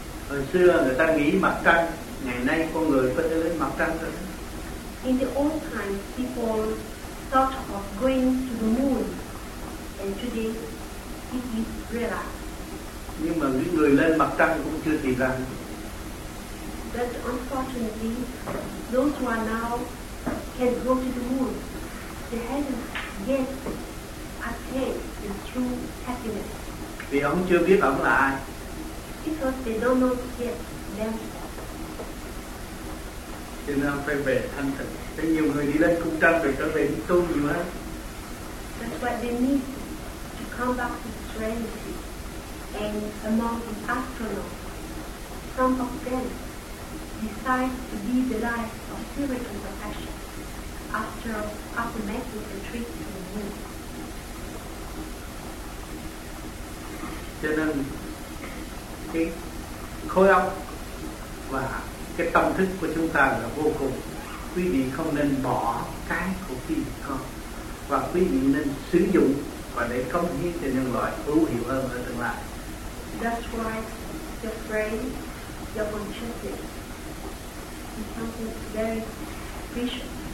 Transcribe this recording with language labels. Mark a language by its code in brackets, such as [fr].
[vi] Hồi xưa người ta nghĩ mặt trăng, ngày nay con người có thể lên mặt trăng rồi. [en] In the old times, people thought of going to the moon, and today it is realized. [vi] Nhưng mà những người lên mặt trăng cũng chưa tìm ra. [en] But unfortunately, those who are now can go to the moon, they haven't yet attained the true happiness. [vi] Vì ông chưa biết ông là ai. [en] Because they don't know yet themselves. [vi] Cho nên ông phải về thanh tịnh. Thế nhiều người đi lên cung trăng về trở về đi tu nhiều hơn. [en] That's what they need to come back to serenity. And among the astronauts, some of them decide to live the life of spiritual perfection after making the trip to the moon. [vi] Cho nên cái khối óc và cái tâm thức của chúng ta là vô cùng. Quý vị không nên bỏ cái của quý vị con, và quý vị nên sử dụng và để cống hiến cho nhân loại hữu hiệu hơn ở tương lai. [en] That's why your brain, your consciousness is something very special.